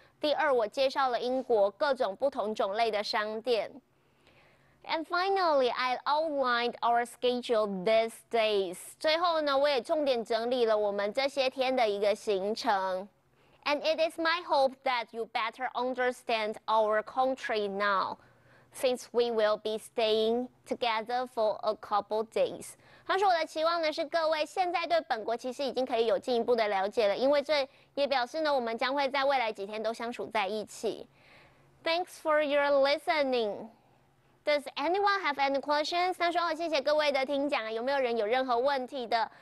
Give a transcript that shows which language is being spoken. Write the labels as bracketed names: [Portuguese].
[Chinese] 第二，我介绍了英国各种不同种类的商店。 [English] And finally, I outlined our schedule these days. [Chinese] 最后呢，我也重点整理了我们这些天的一个行程。 [English] And it is my hope that you better understand our country now, since we will be staying together for a couple days. [Chinese] 他说我的期望呢是各位现在对本国其实已经可以有进一步的了解了，因为这也表示呢我们将会在未来几天都相处在一起。 [English] Thanks for your listening. Does anyone have any questions? [Chinese] 他说、哦、谢谢各位的听讲，有没有人有任何问题的？